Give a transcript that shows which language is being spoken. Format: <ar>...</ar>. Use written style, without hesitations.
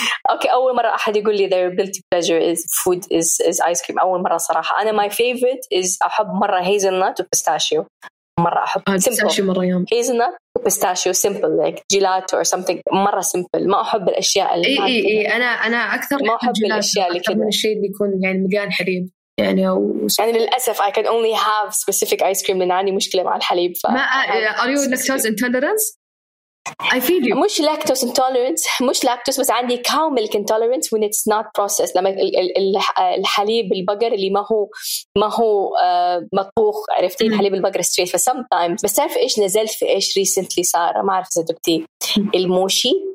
<ar>اوكي اول مره احد يقول لي</ar> <en>their guilty pleasure is food is ice cream.</en> <ar>اول مره صراحه انا</ar> <en>my favorite is</en> <ar>احب مره هيزل نات وبيستاشيو, مره احب بيستاشيو مره يوم</ar> <en>Hazelnut pistachio simple like gelato or something, مره simple.</en> <ar>ما احب الاشياء اللي اي انا اكثر ما احب الاشياء اللي كذا, الشيء اللي يكون يعني مليان حليب يعني. أو يعني للأسف</ar> <en>I can only have specific ice cream,</en> <ar>لأن عندي مشكلة مع الحليب.</ar> <en>ما are you lactose intolerance? I feel you. مش lactose intolerance, مش lactose,</en> <ar>بس عندي</ar> <en>cow milk intolerance when it's not processed.</en> <ar>لما الحليب البقر اللي ما هو مطبوخ, عرفتي الحليب البقر straight. ف sometimes بس تعرف إيش نزلت في إيش recently صار, ما أعرف إذا دكتي الموشي.</ar>